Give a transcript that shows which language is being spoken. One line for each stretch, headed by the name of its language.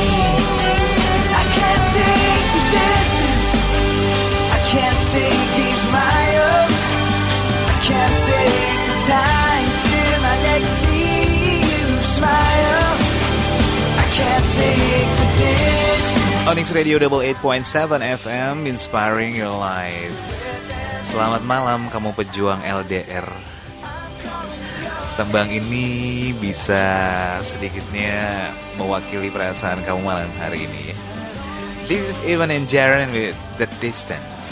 English: 'Cause I can't take the distance, I can't take these miles, I can't take the time till I next see you smile. I can't take the distance. Onyx Radio Double 8.7 FM, inspiring your life.
Indonesian: Selamat malam kamu pejuang LDR. Tembang ini bisa sedikitnya mewakili perasaan kamu malam hari ini.
English: This is Evan and Jaren with The Distance.